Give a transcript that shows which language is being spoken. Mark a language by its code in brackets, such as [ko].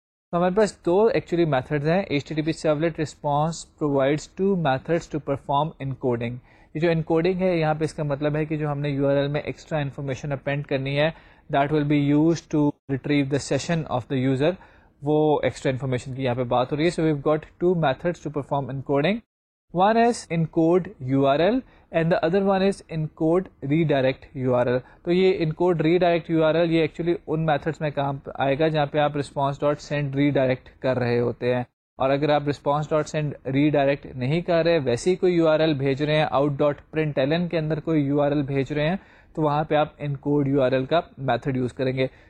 [ur] تو ہمارے پاس دو actually methods ہیں. [en] HTTP servlet response provides two methods to perform encoding, [ur] جو انکوڈنگ ہے یہاں پہ اس کا مطلب ہے کہ جو ہم نے یو آر ایل میں ایکسٹرا انفارمیشن اپینڈ کرنی ہے [en] that will be use to retrieve the session of the user, [ur] وہ ایکسٹرا انفارمیشن کی یہاں پہ بات ہو رہی ہے. [en] So we've got two methods to perform encoding, one is انکوڈ you R L and the other one is انکوڈ re direct you R L. [ur] تو یہ انکوڈ ری direct you R L یہ ایکچولی ان میتھڈس میں کام آئے گا جہاں پہ آپ رسپانس ڈاٹ سینڈ ری direct کر رہے ہوتے ہیں. اور اگر آپ رسپانس ڈاٹ سینڈ ری ڈائریکٹ نہیں کر رہے, ویسے کوئی یو آر ایل بھیج رہے ہیں out dot print L N کے اندر کوئی یو آر ایل بھیج رہے ہیں, تو وہاں پہ آپ انکوڈ یو آر ایل کا میتھڈ یوز کریں گے.